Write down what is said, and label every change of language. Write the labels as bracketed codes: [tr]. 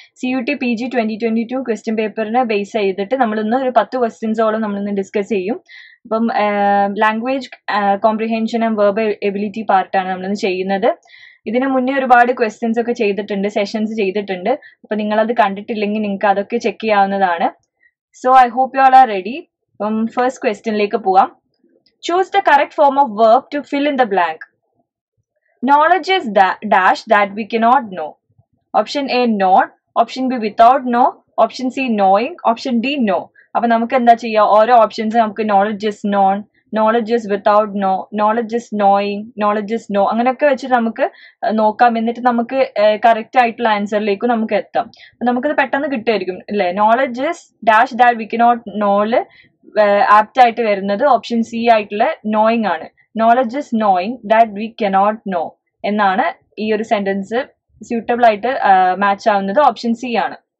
[ml] CUET PG 2022 question പേപ്പറിനെ base ചെയ്തിട്ട് നമ്മളിന്ന് ഒരു 10 questionsോളം നമ്മളിന്ന് ഡിസ്കസ് ചെയ്യും. അപ്പം language comprehension and verbal ability പാർട്ടാണ് നമ്മളിന്ന് ചെയ്യുന്നത്. ഇതിന് മുന്നേ ഒരുപാട് ക്വസ്റ്റ്യൻസ് ഒക്കെ ചെയ്തിട്ടുണ്ട്, സെഷൻസ് ചെയ്തിട്ടുണ്ട്. അപ്പം നിങ്ങളത് കണ്ടിട്ടില്ലെങ്കിൽ നിങ്ങൾക്ക് അതൊക്കെ ചെക്ക് ചെയ്യാവുന്നതാണ്. [en] So I hope you all are ready. [ml] അപ്പം ഫസ്റ്റ് ക്വസ്റ്റ്യനിലേക്ക് പോവാം. [en] Choose the correct form of verb to fill in the blank. Knowledge is dash that we cannot know. Option A, not. Option B, without know. Option C, knowing. Option D, no. [ml] Appa namukku endha cheyya, ore options namukku [en] knowledge is known, knowledge is without know, knowledge is knowing, knowledge is know. [ml] അങ്ങനെയൊക്കെ വെച്ചിട്ട് നമുക്ക് നോക്കാം, എന്നിട്ട് നമുക്ക് correct ആയിട്ടുള്ള ആൻസറിലേക്കും നമുക്ക് എത്താം. അപ്പം നമുക്കത് പെട്ടെന്ന് കിട്ടുമായിരിക്കും അല്ലേ. [en] knowledge is dash that we can not [ml] നോല് apt ആയിട്ട് വരുന്നത് ഓപ്ഷൻ സി ആയിട്ടുള്ള നോയിങ് ആണ്. Knowledge is knowing that we K not no എന്നാണ് ഈ ഒരു സെൻറ്റൻസ് സ്യൂട്ടബിൾ ആയിട്ട് മാച്ച് ആവുന്നത്, ഓപ്ഷൻ സി ആണ്.